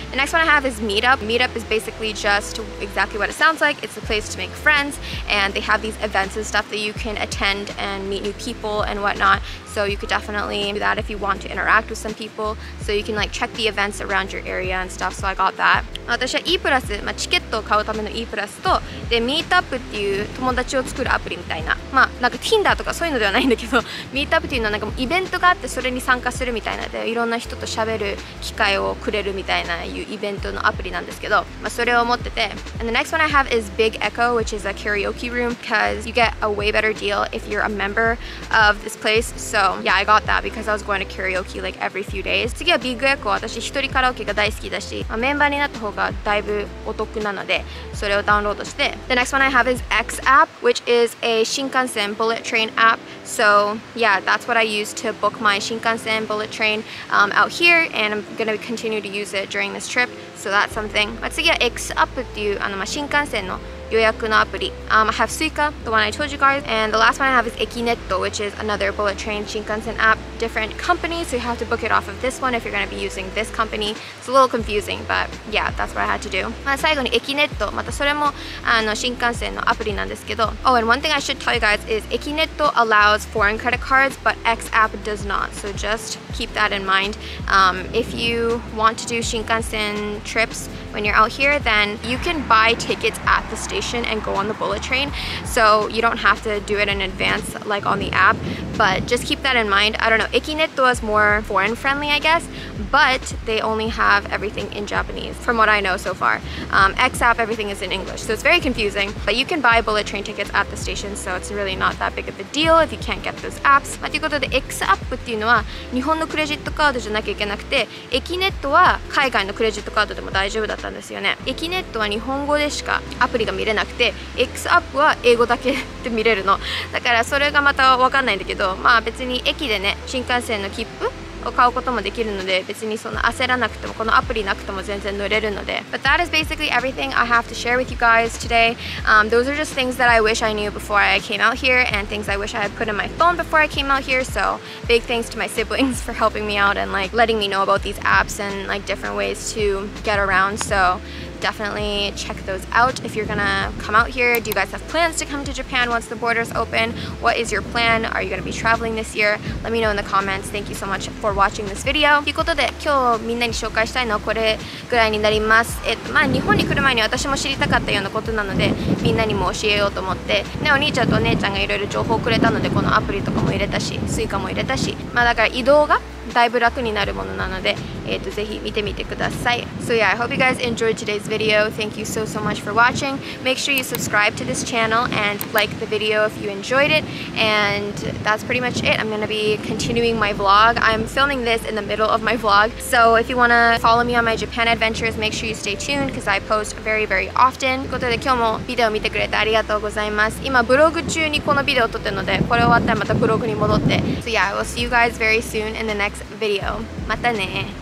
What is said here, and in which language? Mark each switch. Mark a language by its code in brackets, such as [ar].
[en] The next one I have is Meetup. Meetup is basically just exactly what it sounds like. It's a place to make friends and they have these events and stuff that you can attend and meet new people and whatnot. So you could definitely do that if you want to interact with some people. So you can like check the events around your area and stuff. So I got that. [ja] 私は E プラス、まあ、チケットを買うための E プラスと、で、Meetup っていう友達を作るアプリみたいな。まあ、なんか Tinder とかそういうのではないんだけど、Meetup っていうのはなんかイベントがあってそれに参加するみたいな。で、いろんな人と喋る機会をくれるみたいないうイベントのアプリなんですけど、まあ、それを持ってて。 [en] And the next one I have is Big Echo, which is a karaoke room, because you get a way better deal if you're a member of this place. So yeah, I got that because I was going to karaoke like every few days. [ja] 次は Big Echo。私一人カラオケが大好きだし、まあ、メンバーになった方がだいぶお得なのでそれをダウンロードして。 [en] The next one I have is X app, which is a Shinkansen bullet train app. So yeah, that's what I use to book my Shinkansen bullet train out here, and I'm gonna continue to use it during this trip. So that's something. [ja] 次は X app っていうあの、まあ、新幹線の予約のアプリ。 [en] I have suica, the one I told you guys, and the last one I have is ekinetto, which is another bullet train shinkansen app. Different companies, so you have to book it off of this one if you're going to be using this company. It's a little confusing, but yeah, that's what I had to do. [ja] 最後にekinetto、またそれもあの新幹線のアプリなんですけど。 [en] Oh, and one thing I should tell you guys is ekinetto allows foreign credit cards, but X app does not. So just keep that in mind. If you want to do shinkansen trips when you're out here, then you can buy tickets at the station and go on the bullet train, so you don't have to do it in advance like on the app, but just keep that in mind. I don't know, ekinetto is more foreign friendly, I guess, but they only have everything in Japanese from what I know so far. X app, everything is in English, so it's very confusing, but you can buy bullet train tickets at the station, so it's really not that big of a deal if you can't get those apps. [ja] ということで、X app っていうのは日本のクレジットカードじゃなきゃいけなくて、ekinetto は海外のクレジットカードでも大丈夫だったんですよね。 ekinetto は日本語でしかアプリが見れなくて、X app は英語だけで見れるの。だからそれがまた分かんないんだけど、まあ別に駅でね、新幹線の切符を買うこともできるので、別にそんな焦らなくても、このアプリなくても全然乗れるので。 [en] But that is basically everything I have to share with you guys today. Those are just things that I wish I knew before I came out here, and things I wish I had put in my phone before I came out here. So big thanks to my siblings for helping me out and like letting me know about these apps and like different ways to get around. So. Definitely check those out if you're gonna come out here. Do you guys have plans to come to Japan once the borders open? What is your plan? Are you gonna be traveling this year? Let me know in the comments. Thank you so much for watching this video. [ja] ということで、今日みんなに紹介したいのはこれぐらいになります。まあ、日本に来る前に私も知りたかったようなことなので、みんなにも教えようと思って、ね、お兄ちゃんとお姉ちゃんがいろいろ情報をくれたので、このアプリとかも入れたし、スイカも入れたし、まあだから移動がだいぶ楽になるものなので、ぜひ見てみてください。 [en] So yeah, I hope you guys enjoyed today's video. Thank you so, so much for watching. Make sure you subscribe to this channel and like the video if you enjoyed it. And that's pretty much it. I'm gonna be continuing my vlog. I'm filming this in the middle of my vlog. So if you wanna follow me on my Japan adventures, make sure you stay tuned because I post very, very often. ということで、今日もビデオ見てくれてありがとうございます。今、ブログ中にこのビデオ撮ってるので、これ終わったらまたブログに戻って。 So yeah, I will see you guys very soon in the next video. [ja] またね。